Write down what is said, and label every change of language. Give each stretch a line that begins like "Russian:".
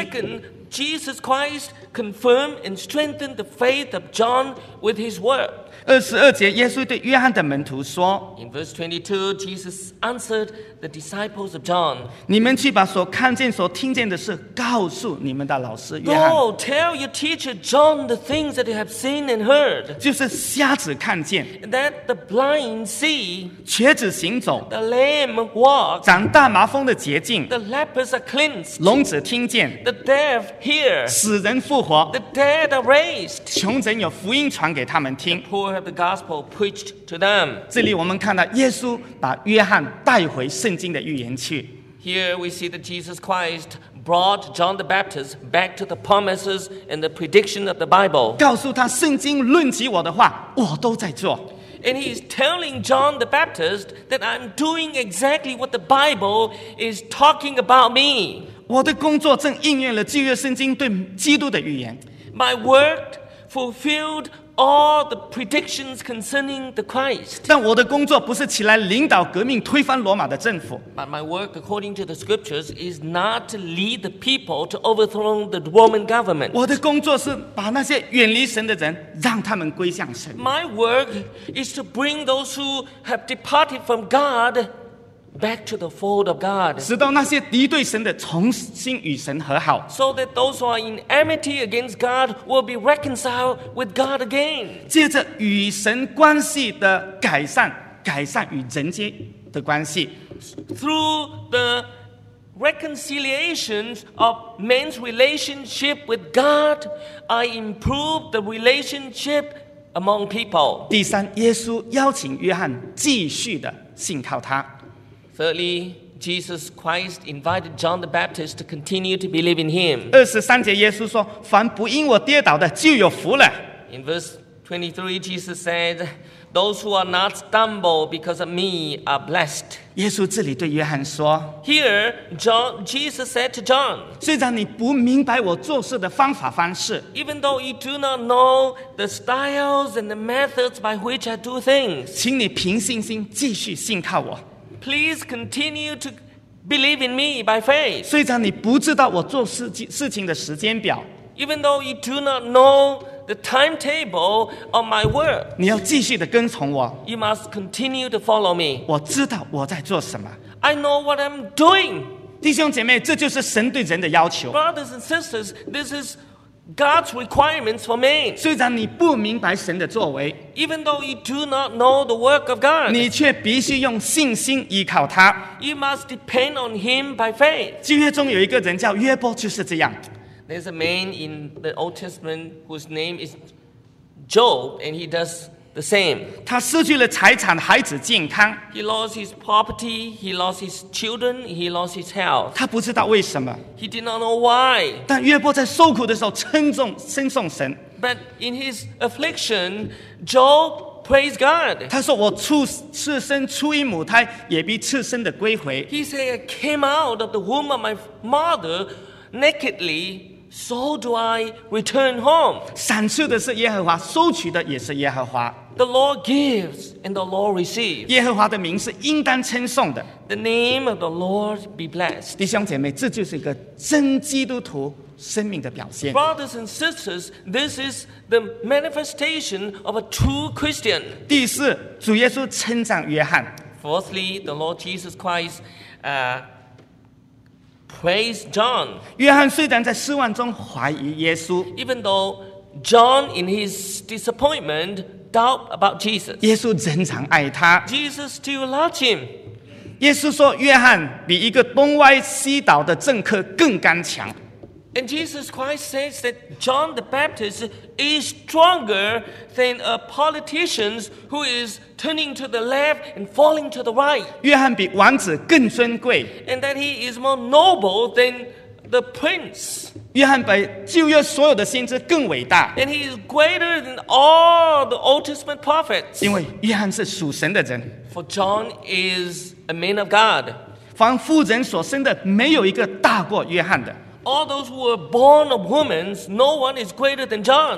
English: Second, Jesus Christ confirmed and strengthened the faith of John with his word.
Chinese: 二十二节，耶稣对约翰的门徒说
English: ，In verse 22, Jesus answered the disciples of John.
Chinese: 你们去把所看见、所听见的事告诉你们的老师约翰。
English: Go tell your teacher John the things that you have seen and heard.
Chinese: 就是瞎子看见
English: ，That the blind see.
Chinese: 瘸子行走
English: ，The lame walk.
Chinese: 长大麻风的洁净
English: ，The lepers are cleansed.
Chinese: 聋子听见
English: ，The deaf hear.
Chinese: 死人复活
English: ，The dead are raised.
Chinese: 穷人有福音传给他们听。
English: The poor have the gospel preached to them.
Chinese: 这里我们看到耶稣把约翰带回圣经的预言去。
English: Here we see that Jesus Christ brought John the Baptist back to the promises and the prediction of the Bible.
Chinese: 告诉他圣经论及我的话，我都在做。
English: And he's telling John the Baptist that I'm doing exactly what the Bible is talking about me.
Chinese: 我的工作正应验了旧约圣经对基督的预言。
English: My work fulfilled. All the predictions concerning the Christ.
Chinese: 但我的工作不是起来领导革命，推翻罗马的政府。
English: But my work, according to the scriptures, is not to lead the people to overthrow the Roman government.
Chinese: 我的工作是把那些远离神的人，让他们归向神。
English: My work is to bring those who have departed from God back to the fold of God.
Chinese: 使到那些敌对神的重新与神和好。
English: So that those who are in enmity against God will be reconciled with God again.
Chinese: 借着与神关系的改善，改善与人间的关系。
English: Through the reconciliation of man's relationship with God, I improve the relationship among people.
Chinese: 第三，耶稣邀请约翰继续的信靠他。
English: Thirdly, Jesus Christ invited John the Baptist to continue to believe in him.
Chinese: 23节耶稣说，凡不因我跌倒的就有福了。
English: In verse 23, Jesus said, those who are not stumbled because of me are blessed.
Chinese: 耶稣这里对约翰说，
English: Here, Jesus said to John,
Chinese: 虽然你不明白我做事的方法方式，
English: even though you do not know the styles and the methods by which I do things,
Chinese: 请你凭信心继续信靠我。
English: Please continue to believe in me by faith.
Chinese: 虽然你不知道我做事情的时间表，
English: even though you do not know the timetable of my work,
Chinese: 你要继续的跟从我。
English: You must continue to follow me.
Chinese: 我知道我在做什么。
English: I know what I'm doing.
Chinese: 弟兄姐妹，这就是神对人的要求。
English: Brothers and sisters, this is God's requirements for me.
Chinese: 虽然你不明白神的作为，
English: even though you do not know the work of God,
Chinese: 你却必须用信心依靠他。
English: You must depend on him by faith.
Chinese: 旧约中有一个人叫约伯，就是这样。
English: There's a man in the Old Testament whose name is Job, and he does the same.
Chinese: 他失去了财产，孩子健康。
English: He lost his property, he lost his children, he lost his health.
Chinese: 他不知道为什么。
English: He did not know why.
Chinese: 但约伯在受苦的时候称颂神。
English: But in his affliction, Job praised God.
Chinese: 他说我赤身出于母胎，也必赤身的归回。
English: He said, I came out of the womb of my mother nakedly, so do I return home.
Chinese: 赏赐的是耶和华，收取的也是耶和华。
English: The Lord gives and the Lord receives.
Chinese: 耶和华的名是应当称颂的。
English: The name of the Lord be blessed.
Chinese: 弟兄姐妹，这就是一个真基督徒生命的表现。
English: Brothers and sisters, this is the manifestation of a true Christian.
Chinese: 第四，主耶稣称赞约翰。
English: Fourthly, the Lord Jesus Christ, praise John.
Chinese: 约翰虽然在失望中怀疑耶稣，
English: even though John in his disappointment doubt about Jesus,
Chinese: 耶稣仍然爱他。
English: Jesus still loves him.
Chinese: 耶稣说，约翰比一个东歪西倒的政客更刚强。
English: And Jesus Christ says that John the Baptist is stronger than a politician who is turning to the left and falling to the right.
Chinese: 约翰比王子更尊贵。
English: And that he is more noble than the prince.
Chinese: 约翰比旧约所有的先知更伟大。
English: And he is greater than all the Old Testament prophets.
Chinese: 因为约翰是属神的人。
English: For John is a man of God.
Chinese: 凡妇人所生的，没有一个大过约翰的。
English: All those who were born of women, no one is greater than John.